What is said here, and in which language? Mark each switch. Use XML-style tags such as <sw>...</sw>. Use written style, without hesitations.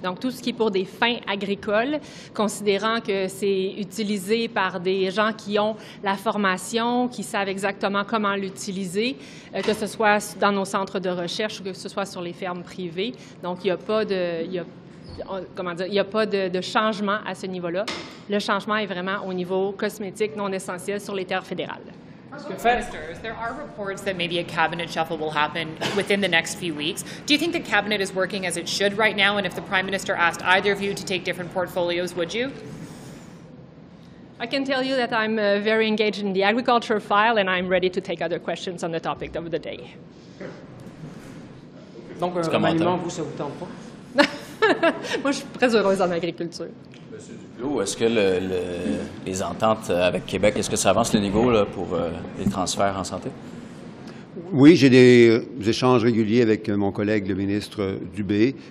<fr>Donc, tout ce qui est pour des fins agricoles, considérant que c'est utilisé par des gens qui ont la formation, qui savent exactement comment l'utiliser, que ce soit dans nos centres de recherche ou que ce soit sur les fermes privées. Donc, il n'y a pas de changement à ce niveau-là. Le changement est vraiment au niveau cosmétique non essentiel sur les terres fédérales.</fr> <en>Ministers, there are reports that maybe a cabinet shuffle will happen within the next few weeks. Do you think the cabinet is working as it should right now? And if the Prime Minister asked either of you to take different portfolios, would you? I can tell you that I'm very engaged in the agriculture file and I'm ready to take other questions on the topic of the day.</en> <fr>Donc, un remaniement, vous, ça vous tente pas? Moi, je suis très heureuse en agriculture. Monsieur Duclos, est-ce que les ententes avec Québec, est-ce que ça avance le niveau là, pour les transferts en santé? Oui, j'ai des échanges réguliers avec mon collègue, le ministre Dubé.</fr>